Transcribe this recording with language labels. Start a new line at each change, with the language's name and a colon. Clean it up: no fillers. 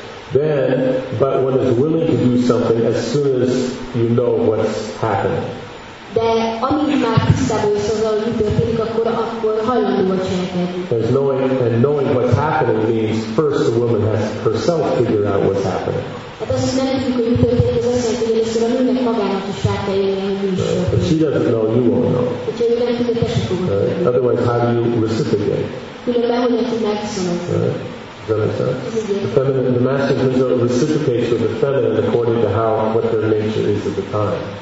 English: Then, but one is willing to do something as soon as you know what's happening.
Hungarian: De amíg már tisztában vagy azzal, hogy mi történik, akkor hajlandó vagy cselekedni.
English: There's knowing, and knowing what's happening means first the woman has herself figure out what's happening.
Hungarian: Hát azt nem tudjuk, hogy mi történik, az azt jelenti, hogy először a nőnek magának is rá kell jönni, hogy mi is történik.
English: But she doesn't know, you won't know.
Hungarian: Hogyha ő nem tudja, te sem fogod tudni.
English: Otherwise, how do you reciprocate?
Hungarian: Különben hogyan tudnák viszonyozni?
English: The feminine, the masculine reciprocates with the feminine according to how, what their nature is at the time.